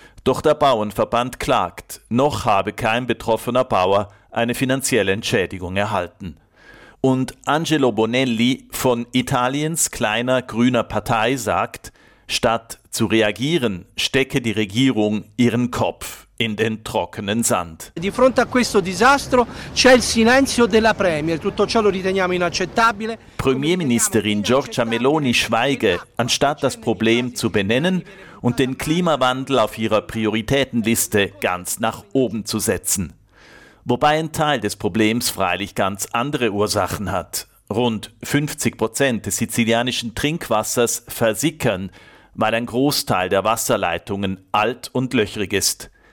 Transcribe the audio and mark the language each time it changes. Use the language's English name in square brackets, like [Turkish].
[German] Doch der Bauernverband klagt, noch habe kein betroffener Bauer eine finanzielle Entschädigung erhalten. Und Angelo Bonelli von Italiens kleiner grüner Partei sagt, statt zu reagieren, stecke die Regierung ihren Kopf in den trockenen Sand. [Italian] Di fronte a questo disastro c'è il silenzio della Premier. Tutto ciò lo riteniamo inaccettabile. [German] Premierministerin Giorgia Meloni schweige, anstatt das Problem zu benennen und den Klimawandel auf ihrer Prioritätenliste ganz nach oben zu setzen. Wobei ein Teil des Problems freilich ganz andere Ursachen hat. Rund 50% des sizilianischen Trinkwassers versickern, weil ein Großteil der Wasserleitungen alt und löchrig ist.